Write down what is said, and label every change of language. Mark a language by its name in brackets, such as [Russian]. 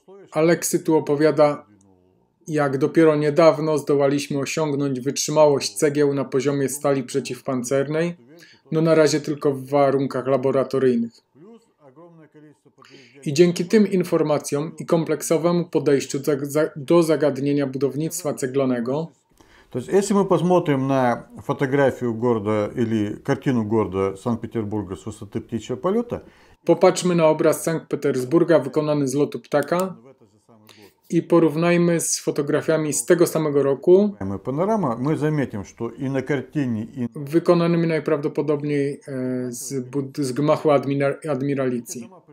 [Polish] Aleksy tu opowiada, jak dopiero niedawno zdołaliśmy osiągnąć wytrzymałość cegieł na poziomie stali przeciwpancernej, no na razie tylko w warunkach laboratoryjnych. I dzięki tym informacjom i kompleksowemu podejściu do zagadnienia budownictwa ceglanego. [Russian] То есть, если мы посмотрим на фотографию города или картину города Санкт-Петербурга с высоты птичьего полета. [Polish] Popatrzmy na obraz Sankt-Petersburga wykonany z lotu ptaka i porównajmy z fotografiami z tego samego roku. [Russian] Panorama, мы заметим, что и на картине, и [Polish] wykonanymi najprawdopodobniej z gmachu admiralicji.